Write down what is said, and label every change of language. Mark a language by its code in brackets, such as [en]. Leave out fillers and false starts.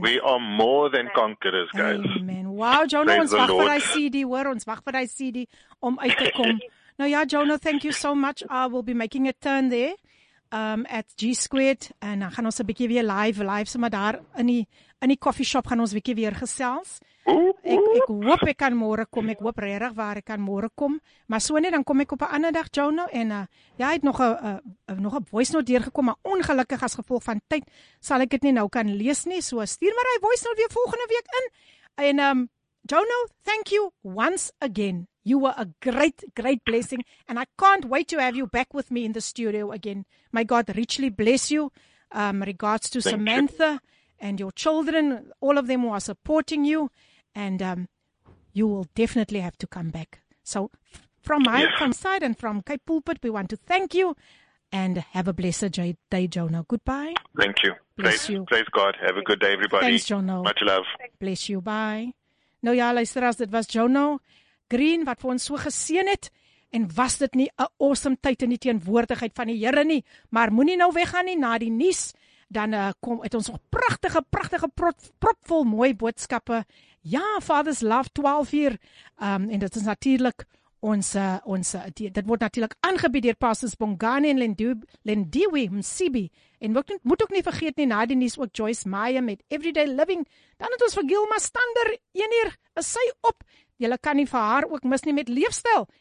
[en] We are more than conquerors, guys. [af] Amen. Wow, Jonah, ons wag vir hy CD, hoor. Ons wag vir hy CD om uit te kom. Nou ja, [en] Jonah, thank you so much. I will be making a turn there at G Squared. [af] En dan gaan ons 'n bietjie weer live, so maar daar in die coffee shop gaan ons bietjie weer gesels. Ek hoop ek kan môre kom. Ek hoop regtig waar ek kan môre kom. Maar so net dan kom ek op 'n ander dag, Jono, en jy het nog 'n voice note deurgekom, maar ongelukkig as gevolg van tyd sal ek dit nie nou kan lees nie. So stuur maar hy voice note weer volgende week in. En Jono, [en] thank you once again. You were a great, great blessing and I can't wait to have you back with me in the studio again. May God richly bless you. Regards to Samantha. And your children, all of them who are supporting you, and you will definitely have to come back. So from my side and from Kai Pulpit, we want to thank you and have a blessed day, Jonah. Goodbye. Thank you. Bless you. Praise God. Have a good day, everybody. Thanks, Jonah. Much love. Bless you. Bye. [af] Nou ja, luisteraars, dit was Jonah Green, wat vir ons so geseën het. En was dit nie 'n awesome tyd in die teenwoordigheid van die Here nie? Maar moenie nou weggaan nie na die nuus. Dan kom het ons nog pragtige, pragtige propvol mooi boodskappe. Ja, Father's Love 12:00. En dit is natuurlik dit word natuurlik aangebied deur Pastors Bongani en Lendiwe Msibi. En moet ook nie vergeet nie, na die nuus ook Joyce Meyer met Everyday Living. Dan het ons vir Gilma Stander, 1:00 is sy op. Julle kan nie vir haar ook mis nie met Leefstyl.